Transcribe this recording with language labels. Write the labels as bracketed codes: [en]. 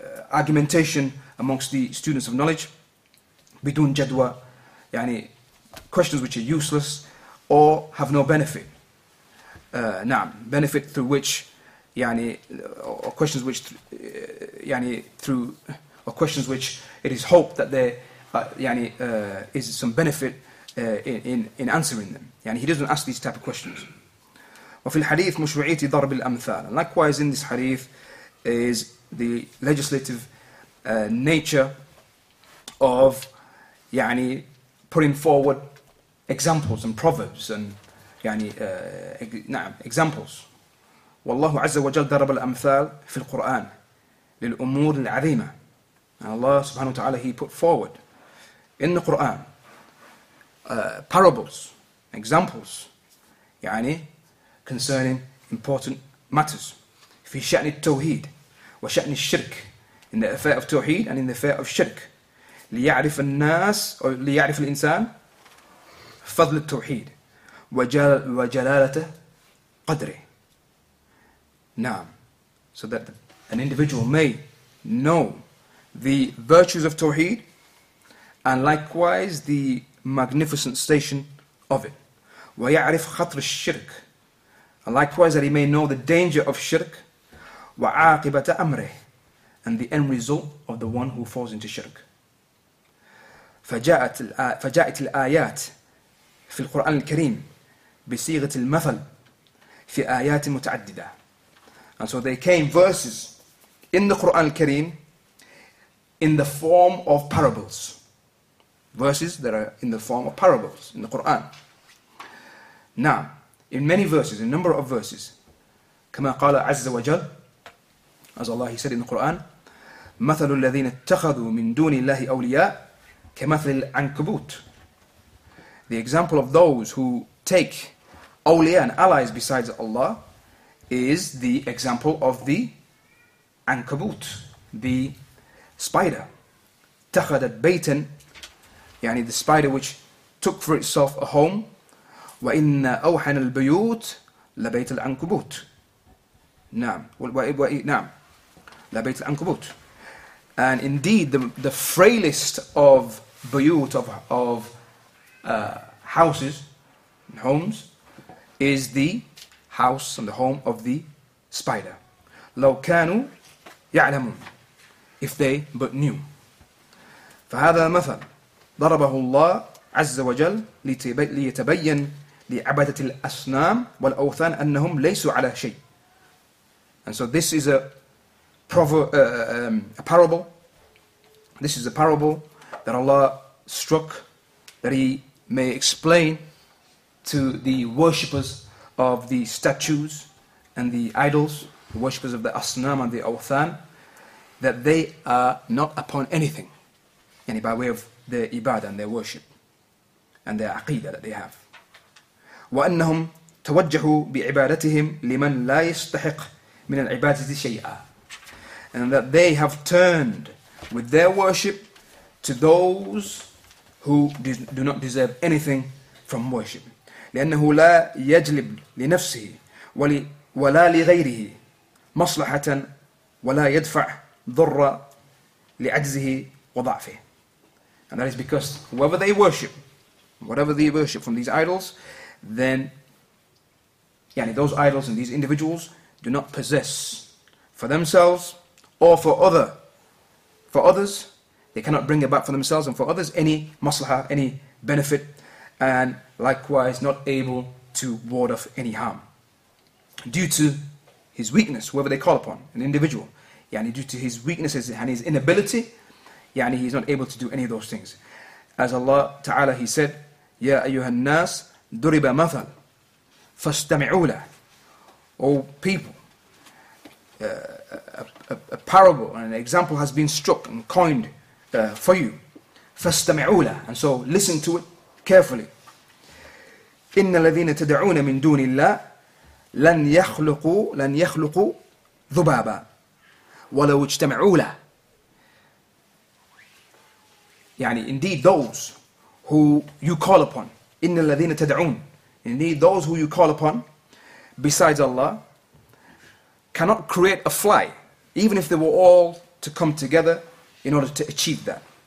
[en] argumentation amongst the students of knowledge [ar] بدون جدوى يعني [en] questions which are useless or have no benefit نعم benefit through which يعني or questions which يعني through or questions which it is hoped that there يعني is some benefit in answering them يعني he doesn't ask these type of questions. [ar] وفي الحديث مشروعية ضرب الأمثال. [en] Likewise in this hadith is the legislative nature of يعني putting forward examples and proverbs and [ar] يعني نعم [en] examples. [ar] والله عز وجل ضرب الأمثال في القرآن للأمور العظيمة. [en] And Allah subhanahu wa ta'ala he put forward in the Quran parables, examples, يعني concerning important matters. [ar] في شأن التوحيد وشأن الشرك. [en] In the affair of توحيد and in the affair of shirk. [ar] ليعرف الناس أو ليعرف الإنسان فضل التوحيد وجلالته قدره. نعم. [en] So that an individual may know the virtues of توحيد and likewise the magnificent station of it. [ar] ويعرف خطر الشرك. [en] And likewise that he may know the danger of shirk. [ar] وعاقبة أمره. [en] And the end result of the one who falls into shirk. [ar] فجاءت الآيات في القرآن الكريم بصيغة المثل في آيات متعددة. [en] And so they came verses in the Quran al-Kareem in the form of parables. Verses that are in the form of parables in the Quran. Now, in many verses, a number of verses, [ar] كما قال عز وجل [en] as Allah he said in the Quran [ar] مثل الذين اتخذوا من دون الله أولياء كمثل العنكبوت. [en] The example of those who take awliya and allies besides Allah is the example of the ankabut, the spider. [ar] اتخذت بيتا, يعني [en] the spider which took for itself a home. [ar] وَإِنَّ أَوْحَنَ الْبَيُوتِ لَبَيْتَ الْعَنْكُبُوتِ. نعم. نعم. لَبَيْتَ الْعَنْكُبُوتِ. [en] And indeed, the frailest of buyut, of houses, homes, is the house and the home of the spider. [ar] لَوْ كَانُوا يَعْلَمُونَ. [en] If they but knew. [ar] فَهَذَا مَثَلْ ضَرَبَهُ اللَّهُ عَزَّ وَجَلَّ لِيَتَبَيَّنْ لعبادة الأصنام والأوثان أنهم ليسوا على شيء. [en] And so this is a parable. This is a parable that Allah struck that He may explain to the worshippers of the statues and the idols, the worshippers of the Asnam and the Awthan, that they are not upon anything, yani by way of their ibadah and their worship and their aqidah that they have. [ar] وأنهم توجهوا بعبادتهم لمن لا يستحق من العبادة شيئا. [en] And that they have turned with their worship to those who do not deserve anything from worship. [ar] لأنه لا يجلب لنفسه ولا لغيره مصلحة ولا يدفع ضر لعجزه وضعفه. [en] And that is because whatever they worship from these idols, then yani those idols and these individuals do not possess for themselves or for others, they cannot bring about for themselves and for others any maslaha, any benefit, and likewise not able to ward off any harm due to his weakness, whoever they call upon, an individual, yani due to his weaknesses and his inability, yani he's not able to do any of those things. As Allah Ta'ala, he said, [ar] Ya ayyuhan nas, ضرب مثل فاستمعوا له. [en] O people, a parable and an example has been struck and coined for you. [ar] فاستمعوا له. [en] And so listen to it carefully. [ar] إن الذين تدعون من دون الله لن يخلقوا ذبابا ولو اجتمعوا له. [en] يعني indeed those who you call upon, [ar] إِنَّ الَّذِينَ تَدْعُونَ, [en] indeed those who you call upon besides Allah cannot create a fly, even if they were all to come together in order to achieve that.